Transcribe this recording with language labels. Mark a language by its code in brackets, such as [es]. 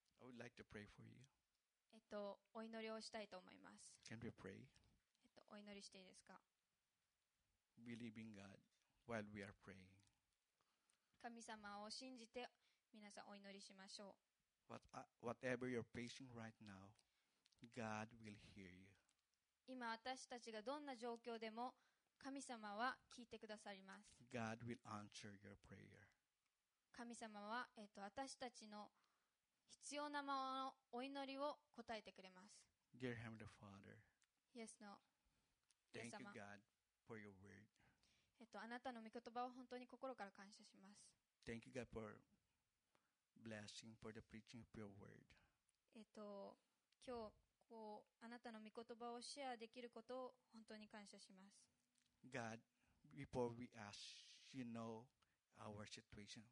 [en] I would like to pray for you. [ja] お祈りをしたいと思います。 [en] Can we pray? [ja] お祈りしていいですか? [en] Believe in God while we are praying. [ja] 神様を信じて皆さんお祈りしましょう。 [en] Whatever you're facing right now, God will hear you. [ja] 今私たちがどんな状況でも神様は聞いてくださります。 [en] God will answer your prayer. [ja] 神様は私たちの必要なままのお祈りを答えてくれます。 [en] Dear Heavenly Father, Yes, No. Thank you, God, for your word. [ja] あなたの御言葉を本当に心から感謝します。 [en] Thank you, God, for blessing for the preaching of your word. [ja] 今日こうあなたの御言葉をシェアできることを本当に感謝します。 [en] God, before we ask, you know our situation.